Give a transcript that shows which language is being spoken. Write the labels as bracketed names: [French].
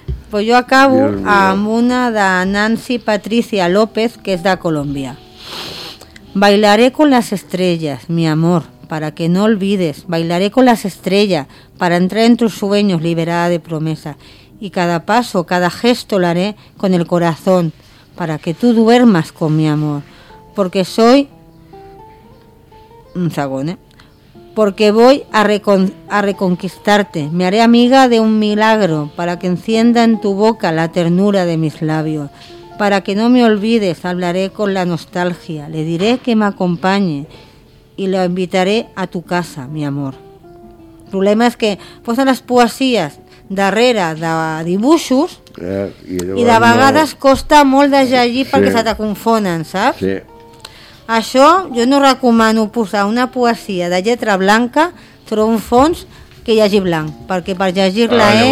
[Catalan] Pues jo acabo amb una de Nancy Patricia López, que és de Colòmbia. [Spanish] Bailaré con las estrellas, mi amor, para que no olvides. Bailaré con las estrellas para entrar en tus sueños liberada de promesa. Y cada paso, cada gesto lo haré con el corazón para que tú duermas con mi amor. Porque soy... Porque voy a reconquistarte. Me haré amiga de un milagro para que encienda en tu boca la ternura de mis labios. Para que no me olvides, hablaré con la nostalgia. Le diré que me acompañe y lo invitaré a tu casa, mi amor. [Catalan] El problema és que posen les poesies darrere de dibuixos i de vegades costa molt de llegir perquè se te confonen, saps? Sí. Això jo no recomano posar una poesia de lletra blanca sobre un fons que hi hagi blanc, perquè per llegir-la